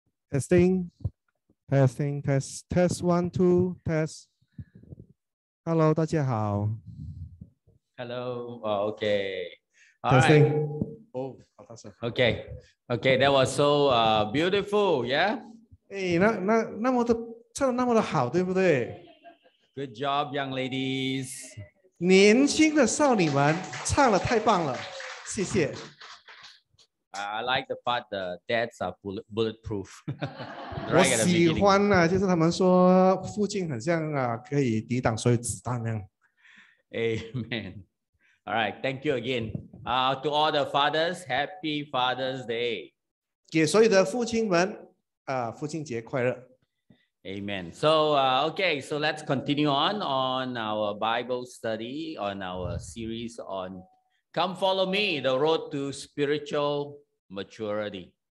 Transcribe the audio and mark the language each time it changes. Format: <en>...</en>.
<en>testing, testing, test, test one, two, test. Hello,</en> <zh>大家好</zh> <en>Hello,、oh, okay.、 All、testing.、 Right. Oh,</en> <zh>好大声</zh> <en>Okay, okay, that was so、beautiful, yeah?</en> <zh>哎、</zh> <en>hey,</en> <zh>，那么的唱的那么的好，对不对？</zh> <en>Good job, young ladies.</en> <zh>年轻的少女们唱得太棒了，谢谢。</zh> <en>I like the part the dads are bulletproof.</en> <zh>我喜欢呢、啊，就是他们说父亲很像啊，可以抵挡所有子弹那样。</zh> <en>Amen. All right, thank you again. To all the fathers, Happy Father's Day.</en> <zh>给所有的父亲们啊、父亲节快乐。</zh> <en>Amen. So, okay, so let's continue on our Bible study, on our series on Come Follow Me, The Road to Spiritual Maturity.</en>